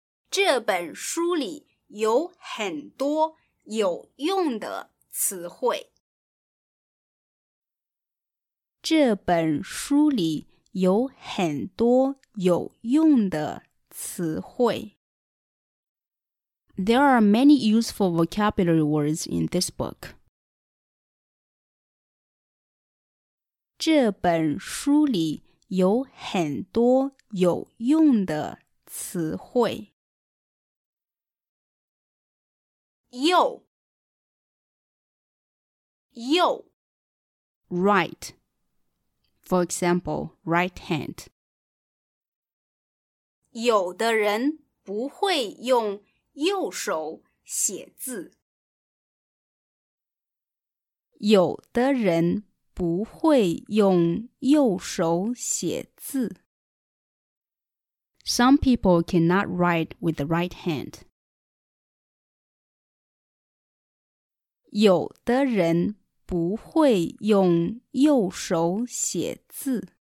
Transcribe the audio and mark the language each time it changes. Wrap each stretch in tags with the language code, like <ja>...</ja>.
<zh>这本书里有很多有用的词汇。这本书里有很多有用的词汇。</zh> <en>There are many useful vocabulary words in this book.</en> <zh>这本书里有很多有用的词汇。右，右。</zh> <en>Right. For example, right hand.</en> <zh>有的人不会用右手写字。有的人不会用右手写字。</zh> <en>Some people cannot write with the right hand.</en> <zh>有的人不会用右手写字。</zh>